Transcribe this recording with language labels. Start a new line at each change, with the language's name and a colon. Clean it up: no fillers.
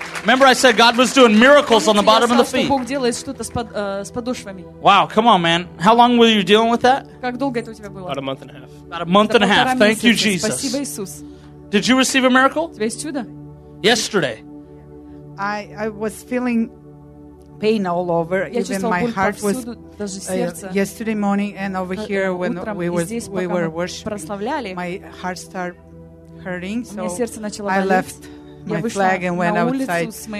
English: Remember I said God was doing miracles on the bottom of the feet?
Russian: Бог делает что-то с подошвами.
English: Wow, come on, man. How long were you dealing with that?
Russian: Как долго это у тебя было?
English: About a month and a half. About a month and a half. Thank you, Jesus.
Russian: Спасибо, Иисус.
English: Did you receive a miracle?
Russian: Тебя есть чудо?
English: yesterday. I was feeling pain all over, even my heart was yesterday morning and over here when we were worshiping, my heart started hurting, so I left my flag and went outside.